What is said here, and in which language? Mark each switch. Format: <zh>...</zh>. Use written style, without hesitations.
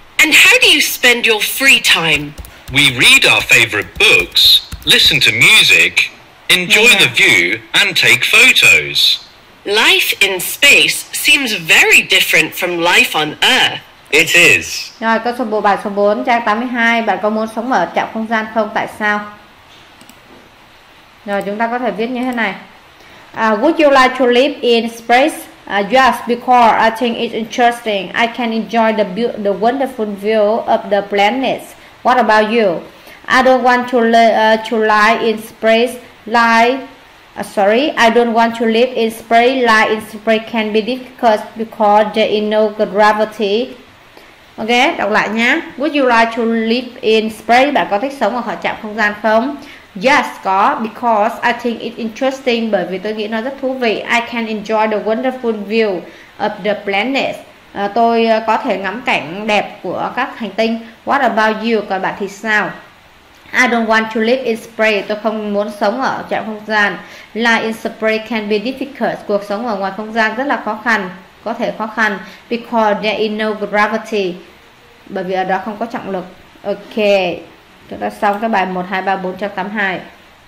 <en>And how do you spend your free time? We read our favorite books, listen to music, enjoy the view, and take photos. Life in space seems very different from life on Earth. It is.</en> <vi>Rồi, câu số 4, bài số 4, trang 82. Bạn có muốn sống ở trạm không gian không? Tại sao? Rồi, chúng ta có thể viết như thế này.</vi> <en>Would you like to live in space? Yes, because I think it's interesting. I can enjoy the wonderful view of the planets. What about you? I don't want to lie in space. I don't want to live in space. Lie in space can be difficult because there is no gravity. Okay,</en> <vi>đọc lại nhé.</vi> <en>Would you like to live in space?</en> <vi>Bạn có thích sống ở khỏi trạm không gian không? Yes, có,</vi> <en>because I think it's interesting,</en> <vi>bởi vì tôi nghĩ nó rất thú vị.</vi> <en>I can enjoy the wonderful view of the planets.</en> <vi>Tôi có thể ngắm cảnh đẹp của các hành tinh.</vi> <en>What about you?</en> <vi>Còn bạn thì sao?</vi> <en>I don't want to live in space.</en> <vi>Tôi không muốn sống ở trạm không gian.</vi> <en>Life in space can be difficult.</en> <vi>Cuộc sống ở ngoài không gian rất là khó khăn, có thể khó khăn.</vi> <en>Because there is no gravity.</en> <vi>Bởi vì ở đó không có trọng lực. Okay. Chúng ta xong cái bài 1, 2, 3, 4, 5, 8, 2.</vi>